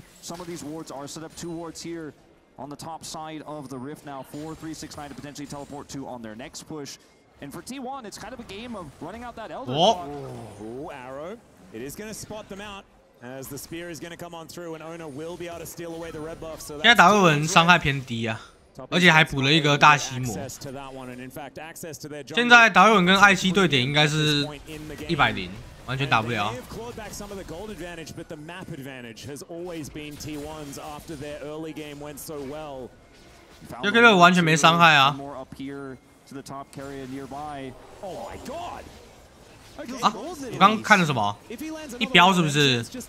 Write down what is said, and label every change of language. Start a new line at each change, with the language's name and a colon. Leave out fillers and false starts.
English: On the top side of the rift now, 4369 to potentially teleport to on their next push, and for T1, it's kind of a game of running out that elder block. Oh, arrow! It is going to spot them out as the spear is going to come on through, and Owner will be able to steal away the red buff. So that.
Chinese: 现在达尔文伤害偏低啊，而且还补了一个大吸魔。现在达尔文跟艾希对点应该是100，完全打不了。
English: They've clawed back some of the gold advantage, but the map advantage has always been T1's after their early game went so well.
Chinese: 这个完全没伤害啊。
English: More up here to the top carrier nearby. Oh my god!
Chinese: 啊，我刚看了什么？一标是不是